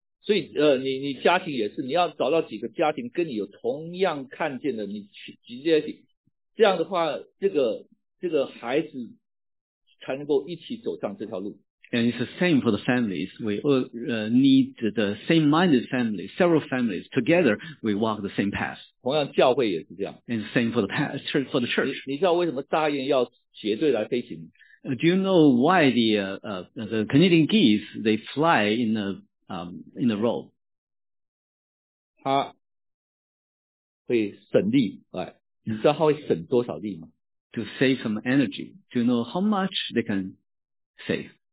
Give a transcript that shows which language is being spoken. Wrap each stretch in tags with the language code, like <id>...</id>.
<zh>所以你家庭也是，你要找到几个家庭跟你有同样看见的，你去集结起。这样的话，这个孩子才能够一起走上这条路。</zh> <en>And it's the same for the families. We need the same-minded family, several families. Together, we walk the same path.</en> <zh>同样，教会也是这样。</zh> <en>And same for the path, for the church.</en> <zh>你知道为什么大雁要结队来飞行？</zh> <en>Do you know why the Canadian geese, they fly in a row?</en> <zh>它会省力，哎，你知道它会省多少力吗？</zh> <en>To save some energy. Do you know how much they can save?</en>